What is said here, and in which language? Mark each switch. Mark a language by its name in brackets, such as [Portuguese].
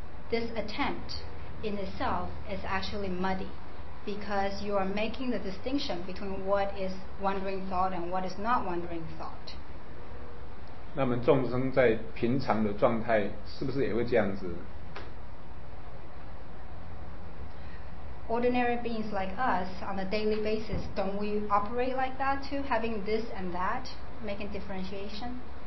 [English] This attempt in itself is actually muddy because you are making the distinction between what is wandering thought and what is not wandering thought. [Chinese] 那么众生在平常的状态是不是也会这样子？ [English] Ordinary beings like us on a daily basis, don't we operate like that too, having this and that, making differentiation?